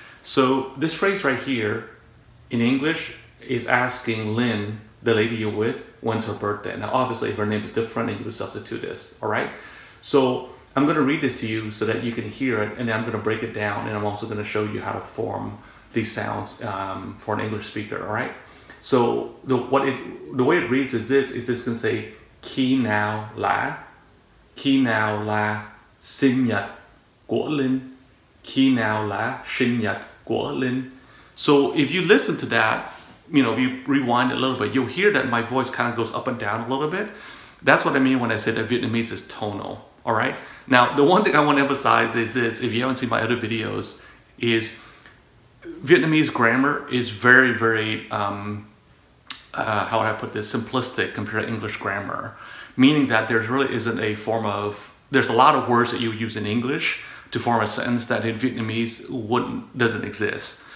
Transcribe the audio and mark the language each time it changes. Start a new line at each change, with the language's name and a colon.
English: So this phrase right here in English is asking Lynn, the lady you're with, when's her birthday. Now, obviously, if her name is different, then you would substitute this, all right? So I'm gonna read this to you so that you can hear it, and then I'm gonna break it down, and I'm also gonna show you how to form these sounds for an English speaker, all right? So the way it reads is this, it's just gonna say,
Vietnamese: khi nào là sinh nhật của Linh, khi nào là sinh nhật của Linh.
English: So if you listen to that, you know, if you rewind it a little bit, you'll hear that my voice kind of goes up and down a little bit. That's what I mean when I say that Vietnamese is tonal, all right? Now, the one thing I want to emphasize is this, if you haven't seen my other videos, is Vietnamese grammar is very, very, how would I put this, simplistic compared to English grammar, meaning that there really isn't a form of, there's a lot of words that you use in English to form a sentence that in Vietnamese doesn't exist.